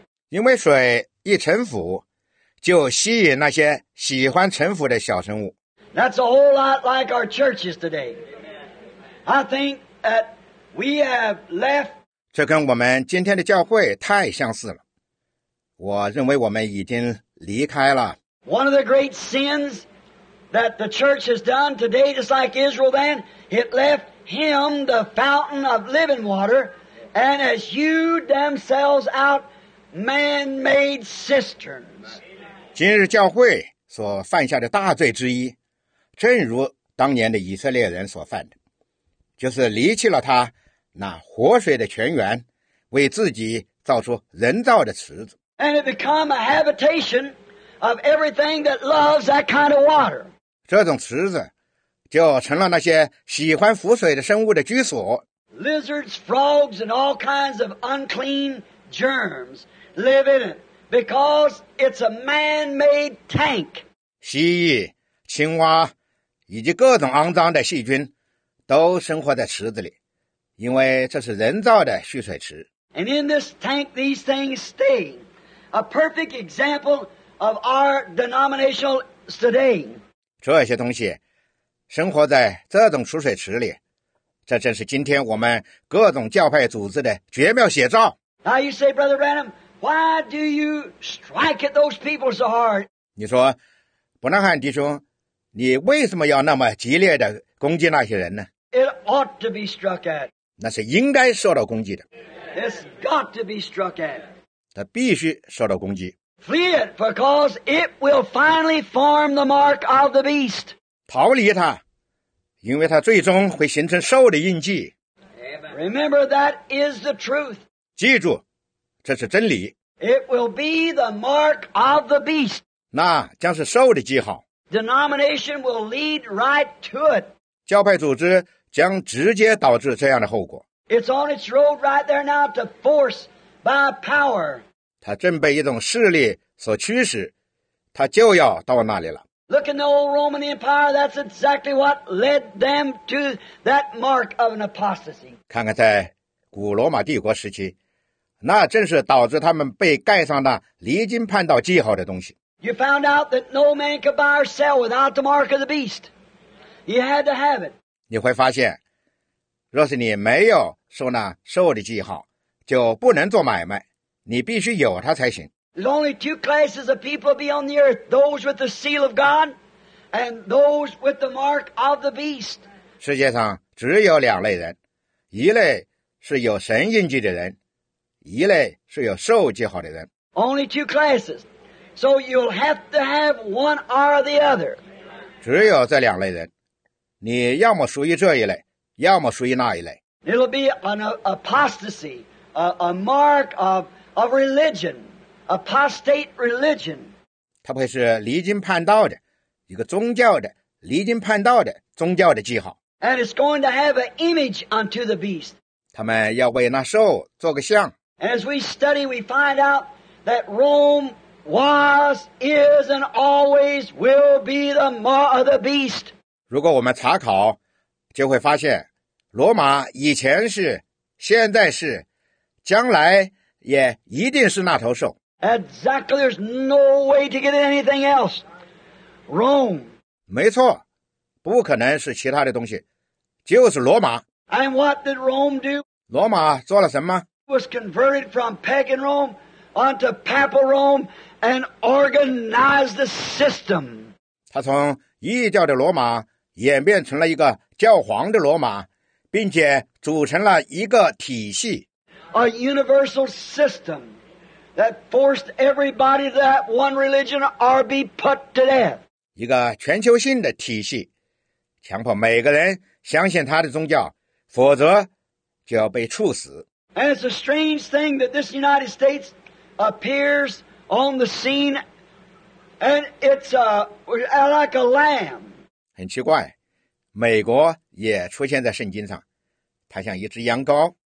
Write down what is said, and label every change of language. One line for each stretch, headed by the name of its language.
Chinese: 因为水一沉浮，就吸引那些喜欢沉浮的小生物。
English: That's a whole lot like our churches today. I think that we have left.
Chinese: 这跟我们今天的教会太相似了。我认为我们已经离开了。
English: One of the great sins that the church has done today, just like Israel then, it left him the fountain of living water, and has hewed themselves out. Man-made cisterns.
Chinese: 今日教会所犯下的大罪之一，正如当年的以色列人所犯的，就是离弃了他那活水的泉源，为自己造出人造的池子。
English: And it became a habitation of everything that loves that kind of water.
Chinese: 这种池子就成了那些喜欢浮水的生物的居所。
English: Lizards, frogs, and all kinds of unclean. Germs live in it because it's a man-made tank.
Chinese: 蜥蜴、青蛙以及各种肮脏的细菌都生活在池子里，因为这是人造的蓄水池。
English: And in this tank, these things stay. A perfect example of our denominational today.
Chinese: 这些东西生活在这种储水池里，这正是今天我们各种教派组织的绝妙写照。
English: Now you say, Brother Branham, why do you strike at those people so hard?
Chinese: 你说，伯南汉弟兄，你为什么要那么激烈的攻击那些人呢？
English: It ought to be struck at.
Chinese: 那是应该受到攻击的。
English: It's got to be struck at.
Chinese: 他必须受到攻击。
English: Flee it, because it will finally form the mark of the beast.
Chinese: 逃离他，因为他最终会形成兽的印记。
English: Remember, that is the truth.
Chinese: 记住，这是真理。
English: It will be the mark of the beast.
Chinese: 那将是兽的记号。
English: Denomination will lead right to it.
Chinese: 教派组织将直接导致这样的后果。
English: It's on its road right there now to force by power.
Chinese: 它正被一种势力所驱使，它就要到那里了。
English: Look in the old Roman Empire, that's exactly what led them to that mark of an apostasy.
Chinese: 看看在古罗马帝国时期，那正是导致他们被盖上那离经叛道记号的东西。
English: You found out that no man could buy or sell without the mark of the beast. You had to have it.
Chinese: 你会发现，若是你没有受那兽的记号，就不能做买卖，你必须有它才行。
English: There's only two classes of people be on the earth, those with the seal of God and those with the mark of the beast.
Chinese: 世界上只有两类人，一类是有神印记的人，一类是有兽记号的人。
English: Only two classes. So you'll have to have one or the other.
Chinese: 只有这两类人，你要么属于这一类，要么属于那一类。
English: It'll be an apostasy, a mark of religion. Apostate religion.
Chinese: 它不会是离经叛道的，一个宗教的离经叛道的宗教的记号。
English: And it's going to have an image unto the beast.
Chinese: 他们要为那兽做个像。
English: As we study, we find out that Rome was, is, and always will be the mark of the beast.
Chinese: 如果我们查考，就会发现，罗马以前是，现在是，将来也一定是那头兽。
English: Exactly, there's no way to get anything else. Rome.
Chinese: 没错，不可能是其他的东西，就是罗马。
English: And what did Rome do?
Chinese: 罗马做了什么？
English: Was converted from pagan Rome onto papal Rome and organized the system.
Chinese: 他从异教的罗马演变成了一个教皇的罗马，并且组成了一个体系。
English: A universal system. That forced everybody to that one religion or be put to death.
Chinese: 一个全球性的体系，强迫每个人相信他的宗教，否则就要被处死。
English: And it's a strange thing that this United States appears on the scene, and it's like a lamb.
Chinese: 很奇怪，美国也出现在圣经上，它像一只羊羔。